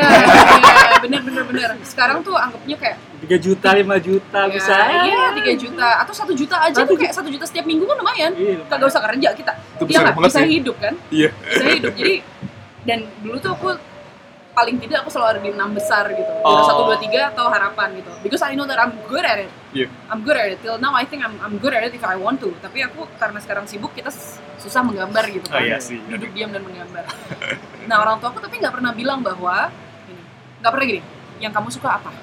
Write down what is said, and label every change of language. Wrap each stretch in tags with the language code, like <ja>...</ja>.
<id>Iya, ya, bener. Sekarang tuh anggapnya kayak 3 juta, 5 juta ya, bisa. Iya, 3 juta. Atau 1 juta aja tuh kayak 1 juta setiap minggu kan lumayan. Iya, kagak usah kerja kita. Iya, bisa hidup kan. Iya. Bisa hidup. Jadi, dan dulu tuh aku paling tidak aku selalu ada di 6 besar gitu. Juara 1, 2, 3 atau harapan gitu.</id> <en>Because I know that I'm good at it. Yeah. I'm good at it. Till now I think I'm good at it if I want to.</en> <id>Tapi aku karena sekarang sibuk, kita susah menggambar gitu kan. Oh, iya sih. Duduk diam dan menggambar. Nah, orang tua aku tapi gak pernah bilang bahwa ini. Gak pernah gini, yang kamu suka apa?</id>